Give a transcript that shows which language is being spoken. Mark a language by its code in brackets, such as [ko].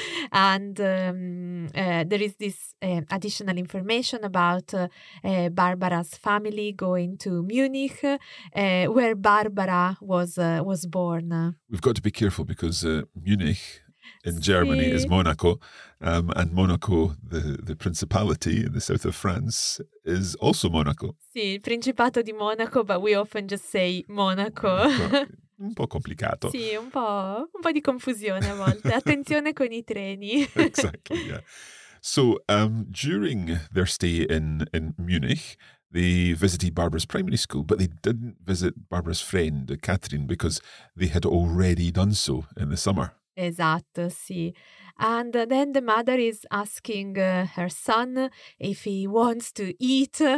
[en] And there is this additional information about Barbara's family going to Munich, where Barbara was born. We've got to be careful because Munich in Germany is Monaco, and Monaco, the principality in the south of France, is also Monaco. [it] Sì, il Principato di Monaco, [en] but we often just say Monaco. [it] Un po' complicato. Sì, un po' di confusione a volte. Attenzione con i treni. [en] Exactly, yeah. So, during their stay in Munich, they visited Barbara's primary school, but they didn't visit Barbara's friend, Catherine, because they had already done so in the summer. [it] Esatto, sì. [en] And then the mother is asking her son if he wants to eat.